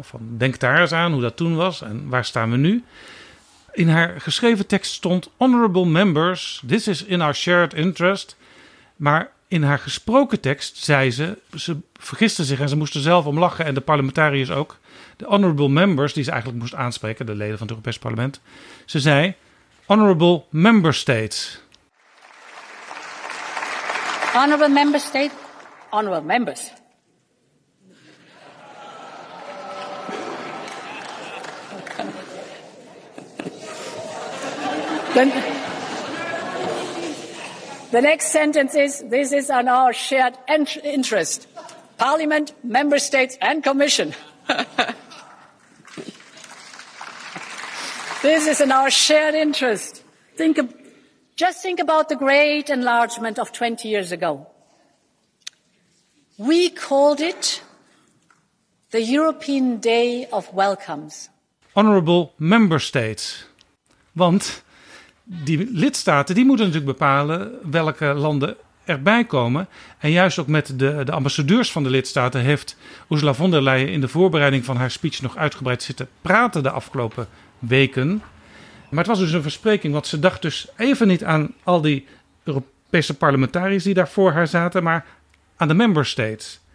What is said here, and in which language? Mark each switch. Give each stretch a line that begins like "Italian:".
Dutch: Van, denk daar eens aan hoe dat toen was en waar staan we nu. In haar geschreven tekst stond
English: Honorable Members, this is in our shared interest.
Dutch: Maar in haar gesproken tekst zei ze, ze vergiste zich en ze moesten zelf om lachen en de parlementariërs ook. De Honorable Members, die ze eigenlijk moest aanspreken, de leden van het Europese parlement. Ze zei Honorable Member States.
English: Honourable Member State, Honourable Members. The next sentence is, this is on our shared interest. Parliament, Member States and Commission. This is in our shared interest. Just think about the great enlargement of 20 years ago. We called it the European Day of Welcomes. Honorable Member States.
Dutch: Want die lidstaten die moeten natuurlijk bepalen welke landen erbij komen. En juist ook met de ambassadeurs van de lidstaten heeft Ursula von der Leyen in de voorbereiding van haar speech nog uitgebreid zitten praten de afgelopen weken. Maar het was dus een verspreking, want ze dacht dus even niet aan al die Europese parlementariërs die daar voor haar zaten, maar aan de member states.